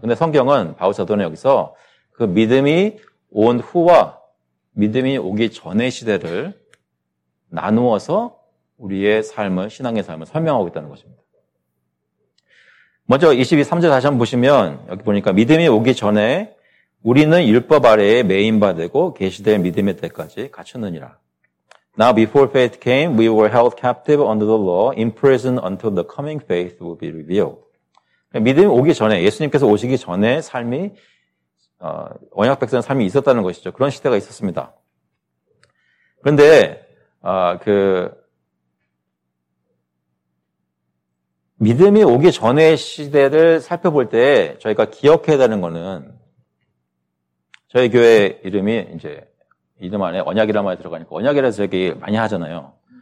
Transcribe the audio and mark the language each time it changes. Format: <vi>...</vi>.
<ko>근데 성경은 바울 사도는 여기서 그 믿음이 온 후와 믿음이 오기 전의 시대를 나누어서 우리의 삶을, 신앙의 삶을 설명하고 있다는 것입니다. 먼저 23절 다시 한번 보시면 여기 보니까 믿음이 오기 전에 우리는 율법 아래에 매인바되고 계시될 믿음의 때까지 갖추느니라.</ko> <en>Now before faith came, we were held captive under the law, imprisoned until the coming faith will be revealed.</en> <ko>믿음이 오기 전에, 예수님께서 오시기 전에 삶이, 언약 백성의 삶이 있었다는 것이죠. 그런 시대가 있었습니다. 그런데, 믿음이 오기 전에 시대를 살펴볼 때 저희가 기억해야 되는 거는 저희 교회 이름이 이제 이름 안에 언약이라는 말이 들어가니까 언약이라서 얘기 많이 하잖아요.</ko>